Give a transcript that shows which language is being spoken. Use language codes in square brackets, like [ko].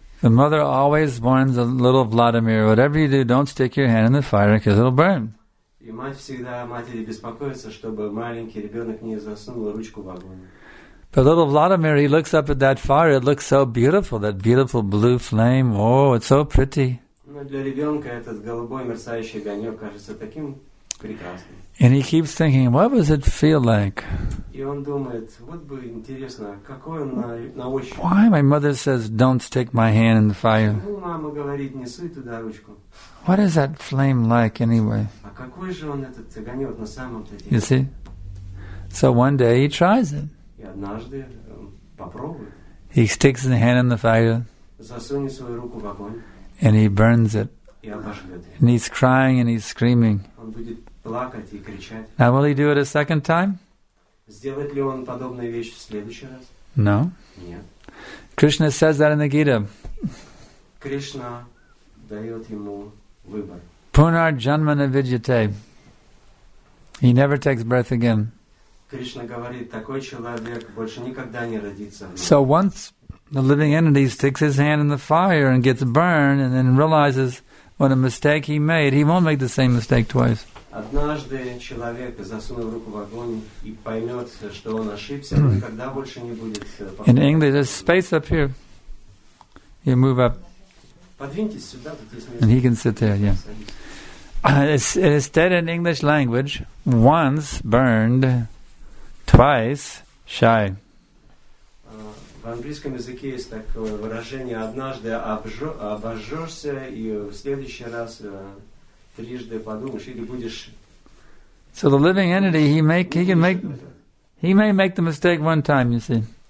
[en] The mother always warns a little Vladimir, whatever you do, don't stick your hand in the fire because it'll burn. [ru] И мать всегда, матери беспокоится, чтобы маленький ребенок не засунул ручку в огонь. [en] But little Vladimir, he looks up at that fire, it looks so beautiful, that beautiful blue flame. Oh, it's so pretty. [ru] Но для ребенка этот голубой мерцающий огонек кажется таким прекрасным. [en] And he keeps thinking, what does it feel like? [ru] И он думает, вот бы интересно, какой он на ощупь. [en] Why my mother says, don't stick my hand in the fire? [ru] Почему мама говорит, не суй туда ручку? [en] What is that flame like anyway? [ru] А какой же он этот огонек на самом-то деле? [en] You see? So one day he tries it. [ru] И однажды попробует. [en] He sticks his hand in the fire. [ru] Засунет свою руку в огонь. [en] And he burns it. [ru] И обожжет. [en] And he's crying and he's screaming. [ru] Он будет плакать и кричать. [en] Now will he do it a second time? [ru] Сделает ли он подобную вещь в следующий раз? [en] No. [ru] Нет. [en] Krishna says that in the Gita. [ru] Кришна дает ему выбор. [sa] Punar janma na vidyate. [en] He never takes birth again. [ru] Кришна говорит, такой человек больше никогда не родится. [en] So once the living entity sticks his hand in the fire and gets burned and then realizes what a mistake he made, he won't make the same mistake twice. [ru] Однажды человек засунул руку в огонь и поймет, что он ошибся, но никогда больше не будет похож. [en] In English, there's space up here. You move up. [ru] Подвиньтесь сюда, тут есть место. [en] And he can sit there, yeah. Instead, in English language, once burned, twice shy. [ru] В английском языке есть такое выражение, однажды обожжешься и в следующий раз... [en] So the living entity, he may make the mistake one time, you see.